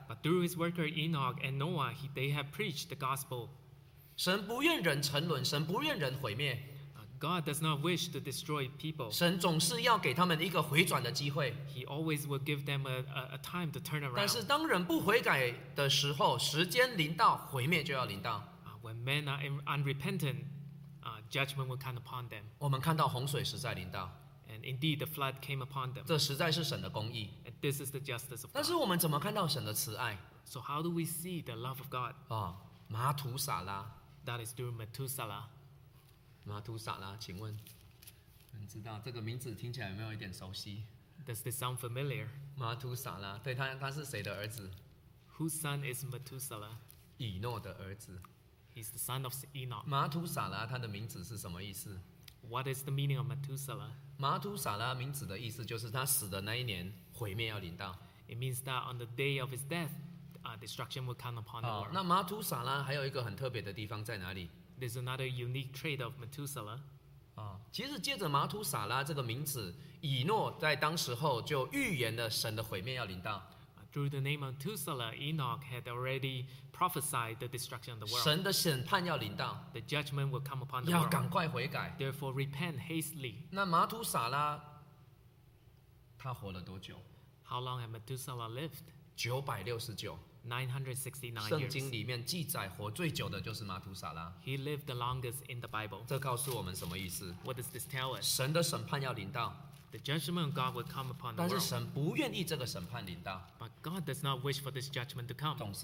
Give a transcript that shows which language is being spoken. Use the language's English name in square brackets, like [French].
[English] But through his worker Enoch and Noah, they have preached the gospel. [Chinese] 神不愿人沉沦，神不愿人毁灭。 [English] God does not wish to destroy people. [Chinese] 神总是要给他们一个回转的机会。 [English] He always will give them a time to turn around. [Chinese] 但是当人不悔改的时候，时间临到，毁灭就要临到。 [English] When men are unrepentant, judgment will come upon them. [Chinese] 我们看到洪水实在临到。 [English] And indeed, the flood came upon them. [Chinese] 这实在是神的公义。 [English] And this is the justice of God. [Chinese] 但是我们怎么看到神的慈爱？ [English] So how do we see the love of God? [Chinese] 马图撒拉。 [English] That is through Methuselah. [Chinese] 马图撒拉，请问，你知道这个名字听起来有没有一点熟悉？ [English] Does this sound familiar? [Chinese] 马图撒拉，对，他是谁的儿子？ [English] Whose son is Methuselah? [Chinese] 以诺的儿子。 [English] He's the son of Enoch. [Chinese] 马图撒拉，他的名字是什么意思？ [English] What is the meaning of Methuselah? [Chinese] 马图撒拉名字的意思就是他死的那一年，毁灭要临到。 [English] It means that on the day of his death, destruction will come upon the world. [Chinese] 那马图撒拉还有一个很特别的地方在哪里？ [English] There's another unique trait of Methuselah. [Chinese] 其实借着马图撒拉这个名字，以诺在当时候就预言了神的毁灭要临到。 [English] through the name of Methuselah, Enoch had already prophesied the destruction of the world. [Chinese] 神的审判要临到, [English] the judgment will come upon the [Chinese] 要赶快悔改, [English] world. Therefore, repent hastily. [Chinese] 那马图撒拉, 他活了多久? [English] How long had Methuselah lived? [Chinese] 969. [English] 969 years. He lived the longest in the Bible. [Chinese] 这告诉我们什么意思? [English] What does this tell us? [Chinese] 神的审判要临到, [English] the judgment of God will come upon the world. But God does not wish for this judgment to come.